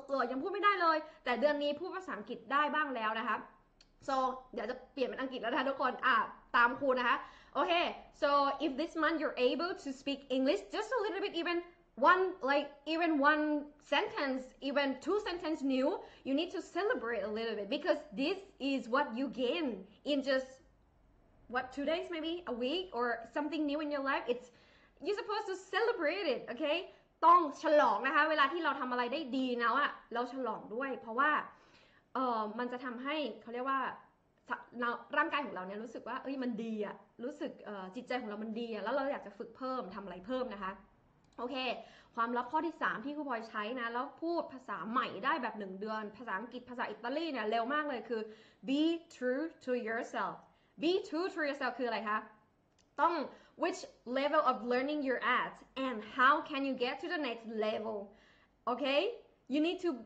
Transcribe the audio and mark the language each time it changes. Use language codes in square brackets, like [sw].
[th] ยังพูดไม่ได้เลยแต่เดือนนี้พูดภาษาอังกฤษได้บ้างแล้วนะคะ [en] so [th] เดี๋ยวจะเปลี่ยนเป็นอังกฤษแล้วนะทุกคนตามครูนะคะโอเค [en] so if this month you're able to speak English just a little bit evenOne, like, even one sentence, even two sentences new, you need to celebrate a little bit because this is what you gain in just, what, 2 days maybe? A week or something new in your life? It's, you're supposed to celebrate it, okay? [th] ต้องฉลองนะคะเวลาที่เราทำอะไรได้ดีแล้วอ่ะเราฉลองด้วยเพราะว่ามันจะทำให้เขาเรียกว่าร่างกายของเราเนี่ยรู้สึกว่าเอ้ยมันดีอ่ะรู้สึกจิตใจของเรามันดีอ่ะแล้วเราอยากจะฝึกเพิ่มทำอะไรเพิ่มนะคะ โอเคความลับข้อที่3ที่ครูพลอยใช้นะแล้วพูดภาษาใหม่ได้แบบ1เดือนภาษาอังกฤษภาษาอิตาลีเนี่ยเร็วมากเลยคือ [en] be true to yourself be true to yourself [th] คืออะไรคะต้อง [en] which level of learning you're at and how can you get to the next level okay you need